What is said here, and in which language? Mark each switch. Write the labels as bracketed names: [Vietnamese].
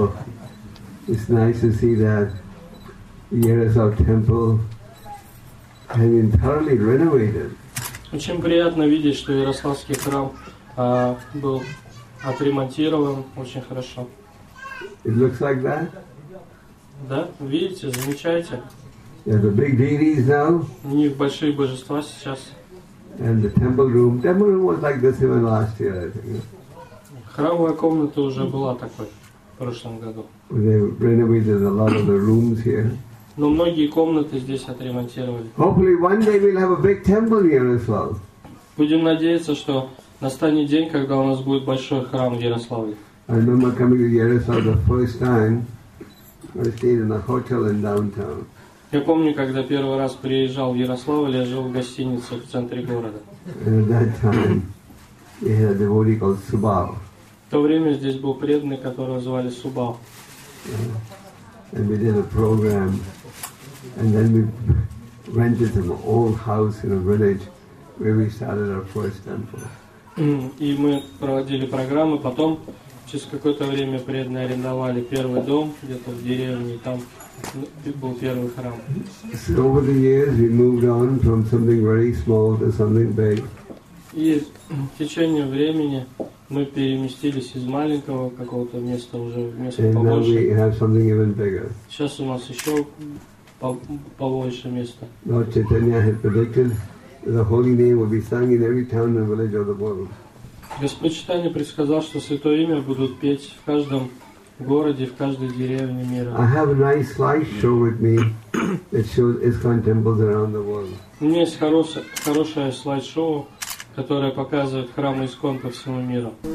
[English] So, it's nice to see that Yaroslav temple has been thoroughly renovated. [Russian] Очень приятно видеть, что Ярославский храм был отремонтирован очень хорошо. [English] It looks like that. [Russian] Да, видите, замечаете. [English] Yeah, the big deities now. [Russian] У них большие божества сейчас. [English] And the temple room. Temple room was like this even last year, I think. [Russian] Храмовая комната уже была такой в прошлом году. [English] They renovated a lot of the rooms here. [Russian] Но многие комнаты здесь отремонтировали. [English] Hopefully one day we'll have a big temple here as well. [Russian] Будем надеяться, что настанет день, когда у нас будет большой храм в Ярославле. [English] I remember coming to Yaroslav the first time. I stayed in a hotel in downtown. [Russian] Я помню, когда первый раз приезжал в Ярославль, я жил в гостинице в центре города. [English] And at that time, we had a devotee called Subal. [Russian] В то время здесь был преданный, которого звали Субал. [English] And we did a program, and then we rented an old house in a village where we started our first temple. [Russian] И мы проводили программы, потом через какое-то время преданные арендовали первый дом где-то в деревне, там был первый храм. [English] So over the years we moved on from something very small to something big. [Russian] И в течение времени мы переместились из маленького какого-то места уже в место [English] and [Russian] побольше. [English] Now we have something even bigger. [Russian] Сейчас у нас еще побольше места. [English] Lord Chaitanya had predicted the holy name will be sung in every town and village of the world. [Russian] Господь Чайтанья предсказал, что святое имя будут петь в каждом городе, в каждой деревне мира. [English] I have a nice slideshow with me that shows ISKCON temples around the world. [Russian] У меня есть хорошее слайд-шоу, которая показывает храмы ИСККОН по всему миру.